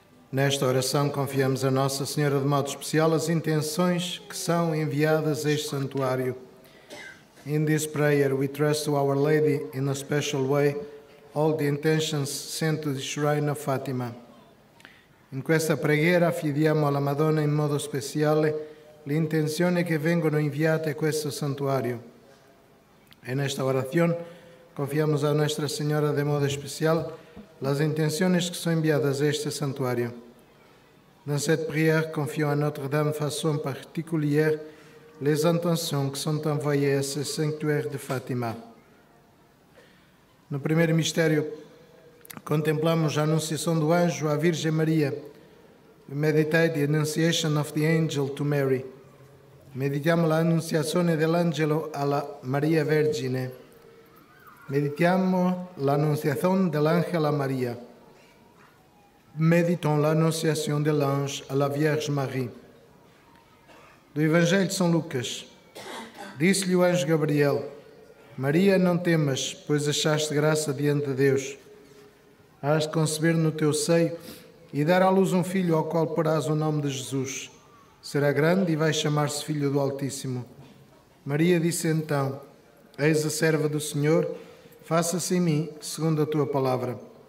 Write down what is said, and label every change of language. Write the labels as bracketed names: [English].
[Portuguese] Nesta oração confiamos a Nossa Senhora de modo especial as intenções que são enviadas a este santuário. [English] In this prayer we trust to Our Lady in a special way all the intentions sent to the Shrine of Fatima. [Italian] In questa preghiera affidiamo alla Madonna in modo speciale le intenzioni che vengono inviate a questo santuario. [Portuguese] E nesta orazione confiamos a Nossa Senhora de modo especial as intenções que são enviadas a este santuário. [French] Dans cette prière, confions à Notre-Dame façon particulière les intentions que sont envoyées à ce sanctuaire de Fátima. [Portuguese] No primeiro mistério, contemplamos a anunciação do anjo à Virgem Maria. [English] We meditate the annunciation of the angel to Mary. [Italian] Meditiamo la annunciazione dell'angelo alla Maria Vergine. Meditiamo l'annunciazione dell'angelo a Maria. [French] Meditons l'annonciation de l'ange à la Vierge Marie. [Portuguese] Do Evangelho de São Lucas. Disse-lhe o anjo Gabriel: Maria, não temas, pois achaste graça diante de Deus. Hás de conceber no teu seio e dar à luz um filho ao qual porás o nome de Jesus. Será grande e vai chamar-se Filho do Altíssimo. Maria disse então: Eis a serva do Senhor, faça-se em mim segundo a tua palavra.